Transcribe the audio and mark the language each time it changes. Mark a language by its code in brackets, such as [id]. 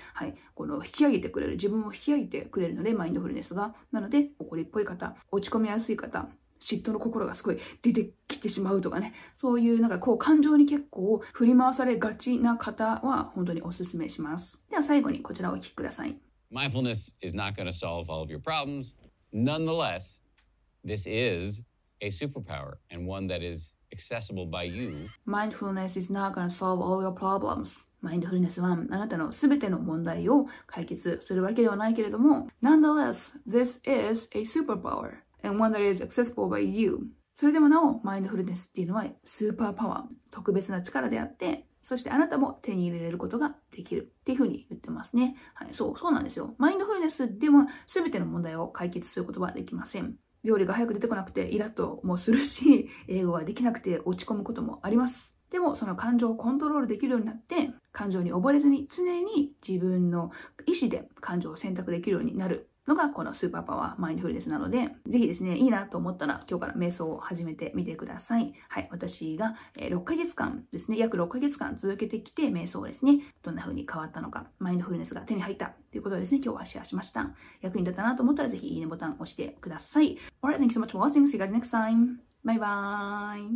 [ja] はい、この引き上げてくれる、自分を引き上げてくれるので、マインドフルネスが。なので怒りっぽい方、落ち込みやすい方、嫉妬の心がすごい出てきてしまうとかね、そういうなんかこう感情に結構振り回されがちな方は本当におすすめします。では最後にこちらをお聞きください。 [en] Mindfulness is not going to solve all of your problems. Nonetheless, this is a superpower and one that is accessible by you. Mindfulness is not going to solve all your problems. [ja] Mindfulness はあなたのすべての問題を解決するわけではないけれども、 [en] Nonetheless, this is a superpowerAnd one that is accessible by you. [ja] それでもなお、マインドフルネスっていうのはスーパーパワー、特別な力であって、そしてあなたも手に入れれることができるっていうふうに言ってますね。はい、そうなんですよ。マインドフルネスでは全ての問題を解決することはできません。料理が早く出てこなくてイラッともするし、英語ができなくて落ち込むこともあります。でもその感情をコントロールできるようになって、感情に溺れずに常に自分の意思で感情を選択できるようになる。のがこのスーパーパワーマインドフルネスなので、ぜひですね、いいなと思ったら今日から瞑想を始めてみてください。はい、私が6ヶ月間ですね、約6ヶ月間続けてきて瞑想ですね、どんな風に変わったのか、マインドフルネスが手に入ったということですね、今日はシェアしました。役に立ったなと思ったらぜひいいねボタン押してください。 [en] Alright, thank you so much for watching. See you guys next time. Bye bye.